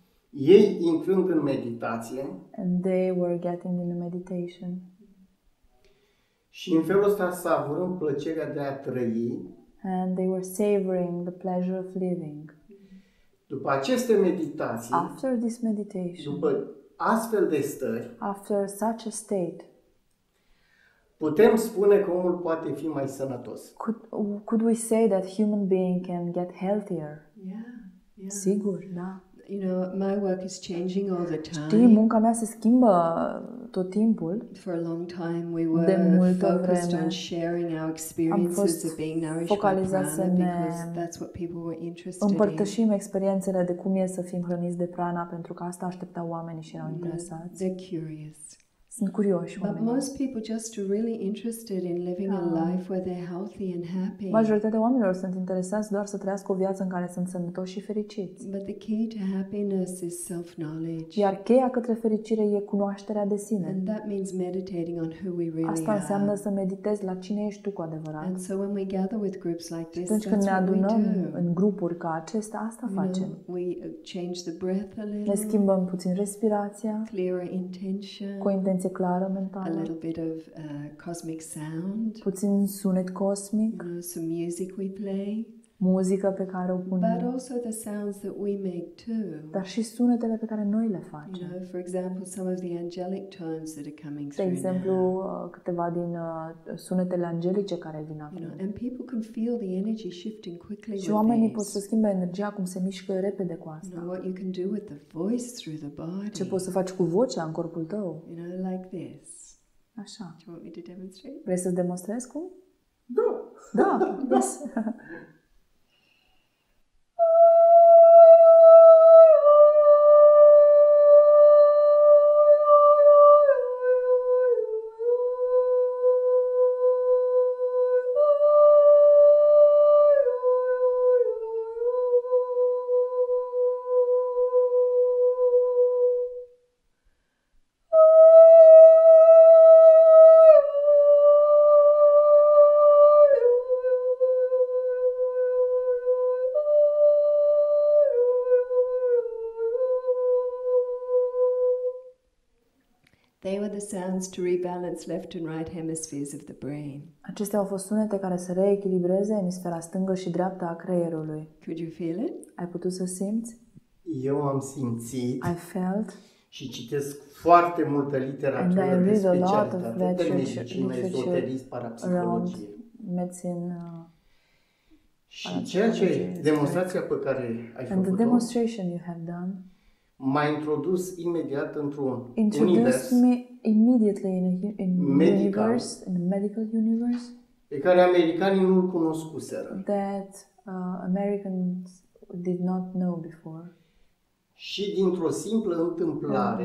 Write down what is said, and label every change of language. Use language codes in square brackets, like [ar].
[ro] Ei intrând în meditație. [en] And they were getting in a meditation. [ro] Și în felul ăsta savurând plăcerea de a trăi. [en] And they were savoring the pleasure of living. [ro] După aceste meditații. [en] After this meditation. [ro] După astfel de stări, [en] after such a state, [ro] putem spune că omul poate fi mai sănătos. [en] Could we say that human being can get healthier? Yeah. [ro] Sigur, da. [en] You know, my work is changing all the time. [ro] Știi, munca mea se schimbă tot timpul. [en] For a long time we were focused on sharing our experiences of being nourished by prana because that's what people were interested in. [ro] Împărtășim experiențele de cum e să fim hrăniți de prana pentru că asta așteptau oamenii și erau interesați. [en] They're curious. [ro] Sunt curioși oamenii. [en] But most people just are really interested in living a life where they're healthy and happy. [ro] Majoritatea oamenilor sunt interesați doar să trăiască o viață în care sunt sănătoși și fericiți. [en] But the key to happiness is self-knowledge. [ro] Iar cheia către fericire e cunoașterea de sine. [en] And that means meditating on who we really are. [ro] Asta înseamnă să meditezi la cine ești tu cu adevărat. [en] And so when we gather with groups like this, [ro] atunci când ne adunăm în grupuri ca acestea, asta facem. [en] You know, we change the breath a little. [ro] Ne schimbăm puțin respirația. [en] Clearer intention. [ro] Cu intenție clară mentală. [en] A little bit of cosmic sound. [ro] Puțin sunet cosmic. [en] Some music we play. [ro] Muzica pe care o punem. [en] But also the sounds that we make too. [ro] Dar și sunetele pe care noi le facem. [en] You know, for example, some of the angelic tones that are coming through. [ro] De exemplu, câteva din sunetele angelice care vin acum. [en] You know, and people can feel the energy shifting quickly. [ro] Și oamenii pot să schimbe energia cum se mișcă repede cu asta. [en] You know, what you can do with the voice through the body. [ro] Ce poți să faci cu vocea în corpul tău? [en] You know, like this. [ro] Așa. [en] Do you want me to demonstrate? [ro] Vrei să demonstrezi cum? Da. Da. [en] Yes. were the sounds to rebalance left and right hemispheres of the brain. [ro] Acestea au fost sunete care să reechilibreze emisfera stângă și dreaptă a creierului. [en] Could you feel it? [ro] Ai putut să simți? Eu am simțit. [en] I felt. [ro] Și citesc foarte multă literatură de specialitate, atât de medicină, ezoterism, parapsihologie. Medicină. Și ceea ce demonstrația pe care ai făcut-o, [en] the demonstration you have done, [ro] m-a introdus imediat într-un univers, [en] me immediately in medical, in the medical universe, [ro] pe care americanii nu-l cunoscuseră. [en] That Americans did not know before. [ro] Și dintr-o simplă întâmplare,